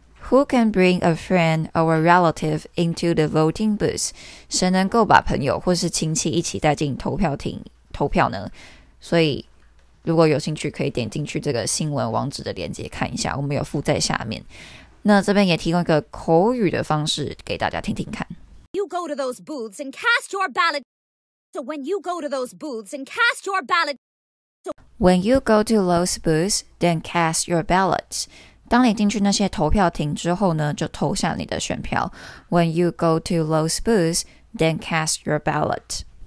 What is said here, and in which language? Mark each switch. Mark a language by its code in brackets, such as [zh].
[en] Who can bring a friend or a relative into the voting booth? [zh] 谁能够把朋友或是亲戚一起带进投票亭投票呢？所以如果有兴趣可以点进去这个新闻网址的连接看一下，我们有附在下面。那这边也提供一个口语的方式给大家听听看。 [en] You go to those booths and cast your ballot. So when you go to those booths and cast your ballot. So when you go to those booths, then cast your ballot. [zh] 当你进去那些投票亭之后呢，就投下你的选票。 [en] When you go to those booths, then cast your ballot.